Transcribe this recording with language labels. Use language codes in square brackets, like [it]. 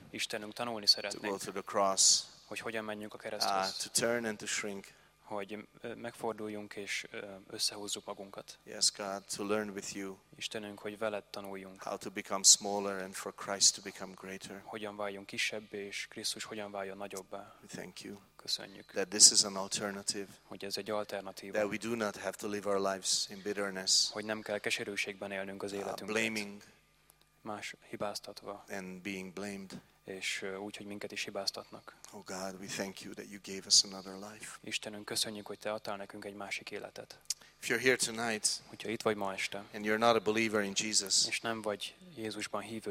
[hu] Istenünk, tanulni szeretnénk. [en] To go to the cross. [hu] Hogy hogyan menjünk a kereszthez. [en] To turn and to shrink. [hu] Hogy megforduljunk és összehúzzuk magunkat. [en] Yes, God, to learn with you. [hu] Istenünk, hogy veled tanuljunk. [en] How to become smaller and for Christ to become greater. [hu] Hogyan váljunk kisebbé és Krisztus hogyan váljon nagyobbá. [en] Thank you. [hu] Köszönjük. [en] That this is an alternative. [hu] Hogy ez egy alternatíva. [en] That we do not have to live our lives in bitterness. [hu] Hogy nem kell keserűségben élnünk az életünket. [en] Blaming. [hu] Más hibáztatva. [en] And being blamed. [hu] És úgy, hogy minket is hibáztatnak. [en] Oh God, we thank you that you gave us another life. [hu] Istenünk, köszönjük, hogy te adtál nekünk egy másik életet. [en] If you're here tonight, [hu] hogyha itt vagy ma este, [en] and you're not a believer in Jesus, [hu] és nem vagy Jézusban hívő,